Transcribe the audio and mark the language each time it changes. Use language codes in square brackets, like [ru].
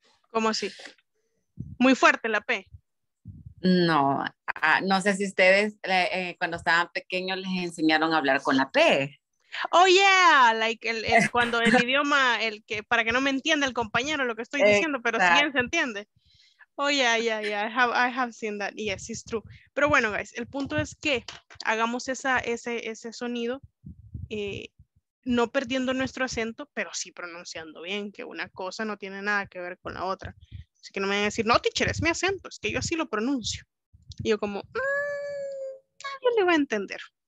[es] ¿Cómo así? Muy fuerte la P. No. No sé si ustedes, cuando estaban pequeños, les enseñaron a hablar con la P. [en] Oh yeah, like [es] el cuando el idioma, el que para que no me entienda el compañero lo que estoy diciendo, pero sí se entiende. [en] Oh yeah, yeah, yeah, I have seen that. Yes, it's true. [es] Pero bueno, guys, el punto es que hagamos ese sonido, no perdiendo nuestro acento, pero sí pronunciando bien, que una cosa no tiene nada que ver con la otra. Así que no me van a decir, no, teacher, es mi acento, es que yo así lo pronuncio. Y yo como, nadie le va a entender.